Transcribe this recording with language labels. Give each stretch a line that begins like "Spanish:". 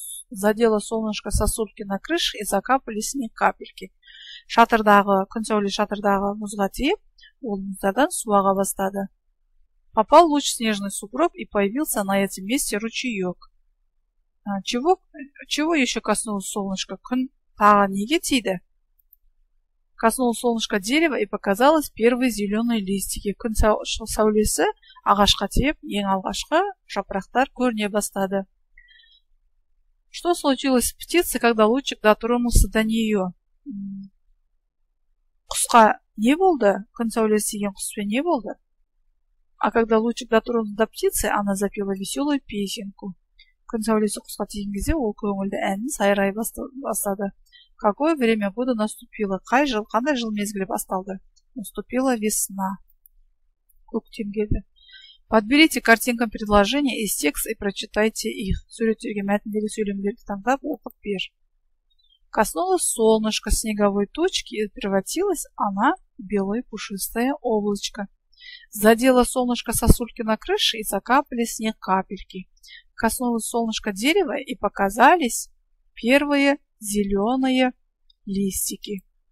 Russian: Задело солнышко сосульки на крыше и закапали с ней капельки.
Kazakh: Күн сәуле шатырдағы мұзға тиіп, ол мұздардан суаға бастады.
Russian: Попал луч в снежный сугроб и появился на этом месте ручеек. Чего еще коснулось солнышко?
Kazakh: Күн тағы неге тиді?
Russian: Коснулось солнышко дерева и показалось первые зеленые листики.
Kazakh: Күн сәулесі ағашқа тиіп, ең алғашқы жапырақтар көріне бастады.
Russian: Что случилось с птицей, когда лучик дотронулся до нее?
Kazakh: Құсқа не болды? Күн сәулесі тиген құспен не болды?
Russian: А когда лучик дотронулся до птицы, она запела веселую песенку.
Kazakh: Күн сәулесі құсқа тиген кезде, ол көңілді әнін сайрай бастады.
Russian: Какое время года наступило?
Kazakh: Қандай жыл мезгілі басталды?
Russian: Наступила весна.
Kazakh: Көктем келді.
Russian: Подберите картинкам предложения из текста и прочитайте их.
Kazakh: Сөйлеттерге мәтіндегі сөйлемдерді таңдап, оқып бер.
Russian: Коснулось солнышко снеговой тучки и превратилась она в белое пушистое облачко. Задело солнышко сосульки на крыше и закапали с них капельки. Коснулось солнышко дерева и показались первые зеленые листики.